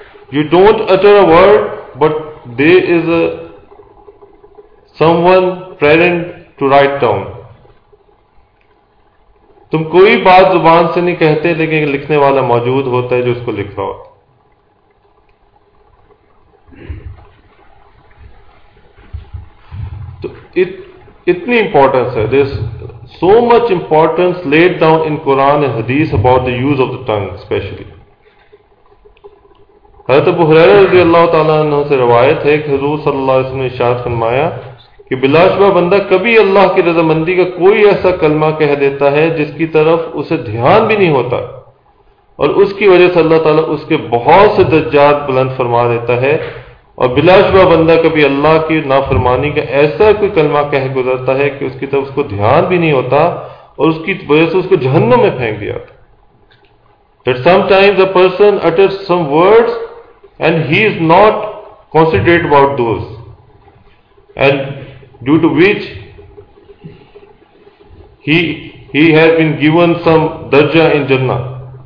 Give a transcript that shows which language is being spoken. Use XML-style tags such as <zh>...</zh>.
<en>You don't utter a word but there is a someone present to write down.</en> <ur>تم کوئی بات زبان سے نہیں کہتے لیکن لکھنے والا موجود ہوتا ہے جو اس کو لکھ رہا ہوتا. تو اتنی امپورٹنس ہے،</ur> <en>There so much importance laid down in Quran حدیث about the use of the tongue especially.</en> <ur>حضرت ابو ہریرہ رضی اللہ تعالیٰ عنہ سے روایت ہے کہ حضور صلی اللہ علیہ وسلم نے ارشاد فرمایا کہ بلا شبہ بندہ کبھی اللہ کی رضا مندی کا کوئی ایسا کلمہ کہہ دیتا ہے جس کی طرف اسے دھیان بھی نہیں ہوتا، اور اس کی وجہ سے اللہ تعالیٰ اس کے بہت سے درجات بلند فرما دیتا ہے، اور بلا شبہ بندہ کبھی اللہ کی نافرمانی کا ایسا کوئی کلمہ کہہ گزرتا ہے کہ اس کی طرف اس کو دھیان بھی نہیں ہوتا اور اس کی وجہ سے اس کو جہنم میں پھینک دیا جاتا.</ur> <en>That sometimes a person utters some words and he is not considerate about those and due to which he has been given some darja in Jannah.</en>